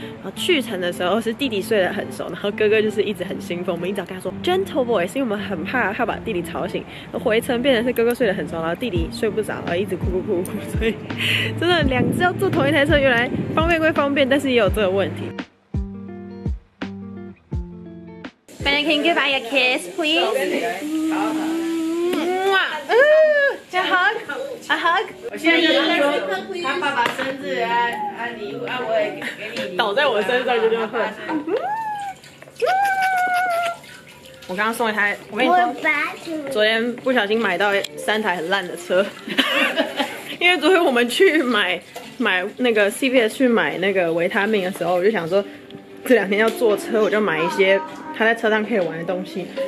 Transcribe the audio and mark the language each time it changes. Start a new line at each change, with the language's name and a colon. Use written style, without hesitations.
Chinese: 然后去程的时候是弟弟睡得很熟，然后哥哥就是一直很兴奋，我们一早跟他说
English: gentle voice，
Chinese: 因为我们很怕他把弟弟吵醒。回程变成是哥哥睡得很熟，然后弟弟睡不着，一直哭哭哭哭，所以真的两只要坐同一台车，原来方便归方便，但是也有这个问题。
English: Can you give me a kiss, please? Mwah! A hug? A hug?
Chinese: 我现在跟他说，他爸爸生日啊啊礼物啊，我也给你倒在我身上就这样喝。我刚刚送一台，我跟你说，昨天不小心买到三台很烂的车，因为昨天我们去买那个 CVS 去买那个维他命的时候，我就想说这两天要坐车，我就买一些他在车上可以玩的东西。